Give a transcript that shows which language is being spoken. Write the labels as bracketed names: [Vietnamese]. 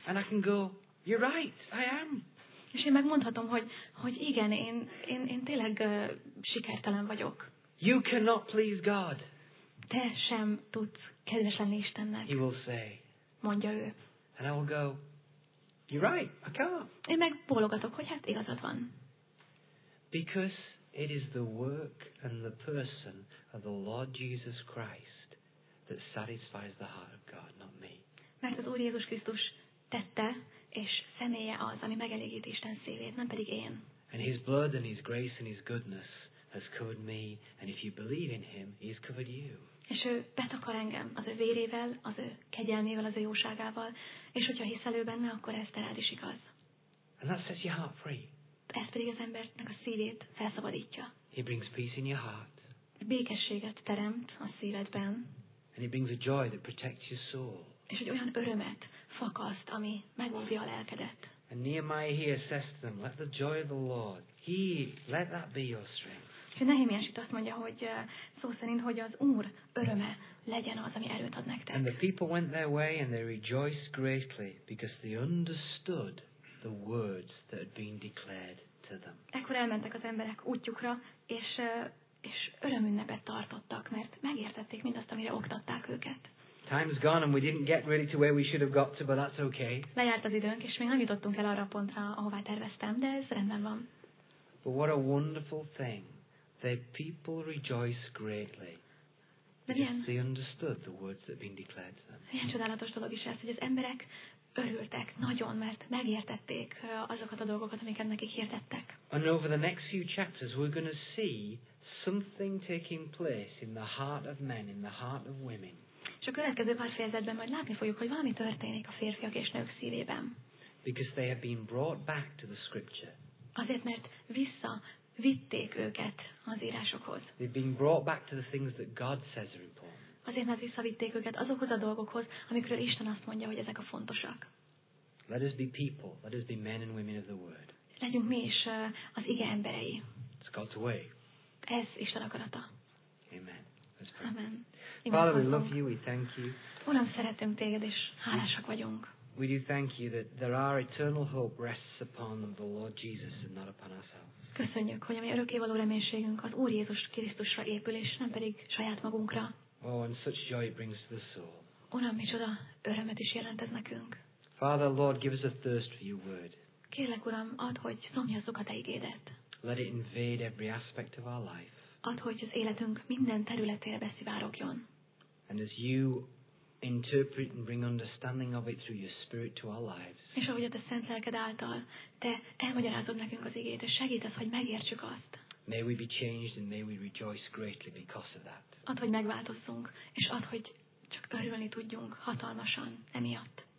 [English] And I can go, "You're right, I am." [Hungarian] És én megmondhatom, hogy igen, én tényleg sikertelen vagyok. [English] You cannot please God. [Hungarian] Te sem tudsz kedves lenni Istennek. [English] He will say. [Hungarian] Mondja ő. [English] And I will go, "You're right, I can't." [Hungarian] Én megbólogatok, hogy hát igazad van. [English] Because it is the work and the person of the Lord Jesus Christ that satisfies the heart of God, not me. [Hungarian] Mert az Úr Jézus Krisztus tette és személye az, ami megelégít Isten szívét, nem pedig én. [English] And his blood and his grace and his goodness has covered me, and if you believe in him, he's covered you. [Hungarian] És ő betakar engem az ő vérével, az ő kegyelmével, az ő jóságával, és hogyha hiszel ő benne, akkor ez rád is igaz. [English] And that sets your heart free. [Hungarian] Ez pedig az embernek a szívét felszabadítja. [English] He brings peace in your heart. [Hungarian] Békességet teremt a szívedben. [English] And he brings a joy that protects your soul. [Hungarian] És egy olyan örömet fakaszt, ami megóvja a lelkedet. [English] And Nehemiah here says to them, "Let the joy of the Lord, he, let that be your strength." [Hungarian] És Nehemiás itt azt mondja, hogy szó szerint, hogy az Úr öröme legyen az, ami erőt ad nektek. [English] And the people went their way and they rejoiced greatly because they understood the words that had been declared to them. [Hungarian] Ekkor elmentek az emberek útjukra, és örömünnepet tartottak, mert megértették mindazt, amire oktatták őket. [English] Time's gone and we didn't get really to where we should have got to, but that's okay. [Hungarian] Lejárt az időnk, és még nem jutottunk el arra a pontra, ahová terveztem, de ez rendben van. [English] But what a wonderful thing. The people rejoice greatly. They understood the words that had been declared to them. [Hungarian] Ilyen csodálatos dolog is ez, hogy az emberek örültek nagyon, mert megértették azokat a dolgokat, amiket nekik hirdettek. [English] And over the next few chapters, we're going to see something taking place in the heart of men, in the heart of women. [Hungarian] És a következő pár fejezetben majd látni fogjuk, hogy valami történik a férfiak és nők szívében. [English] Because they have been brought back to the scripture. [Hungarian] Azért, mert visszavitték őket az írásokhoz. [English] They've been brought back to the things that God says are important. [Hungarian] Azért, mert visszavitték őket azokhoz a dolgokhoz, amikről Isten azt mondja, hogy ezek a fontosak. [English] Let us be people. Let us be men and women of the word. [Hungarian] Legyünk mi is az ige emberei. [English] It's God's way. [Hungarian] Ez Isten akarata. [English] Amen. Let's pray. Amen. Father, we love you, we thank you. [Hungarian] Uram, szeretünk téged, és hálásak vagyunk. [English] We do thank you that there are eternal hope rests upon the Lord Jesus and not upon ourselves. [Hungarian] Köszönjük, hogy a mi örökkévaló reménységünk az Úr Jézus Krisztusra épül, és nem pedig saját magunkra. [English] Oh, and such joy brings to the soul. [Hungarian] Uram, micsoda örömet is jelent ez nekünk. [English] Father, Lord, give us a thirst for your word. [Hungarian] Kérlek, Uram, add, hogy szomjazzuk a te igédet. [English] Let it invade every aspect of our life. [Hungarian] Add, hogy az életünk minden területére beszivárogjon. [English] And as you interpret and bring understanding of it through your spirit to our lives. [Hungarian] És ahogy a te szent lelked által, te elmagyarázod nekünk az igét, és segítesz, hogy megértsük azt. [English] May we be changed and may we rejoice greatly because of that. [Hungarian] Add, hogy megváltozzunk, és add, hogy csak örülni tudjunk hatalmasan emiatt.